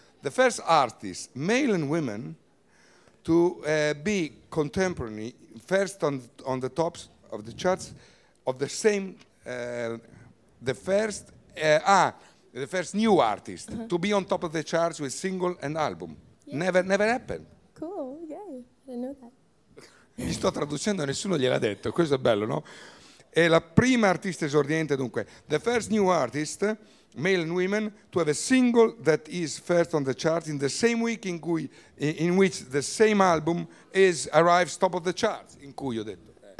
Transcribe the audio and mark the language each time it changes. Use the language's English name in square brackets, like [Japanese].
[English] The first artist, male and women, to be contemporary, first on the tops of the charts, of the same, the first new artist to be on top of the charts with single and album. Yeah. Never happened. Cool, yeah, I didn't know that. [Italian] Mi sto traducendo, nessuno gliel'ha detto, questo è bello, no? È la prima artista esordiente, dunque, [English] the first new artist, male and women, to have a single that is first on the chart in the same week in which the same album arrives top of the chart, [Italian] in cui ho detto.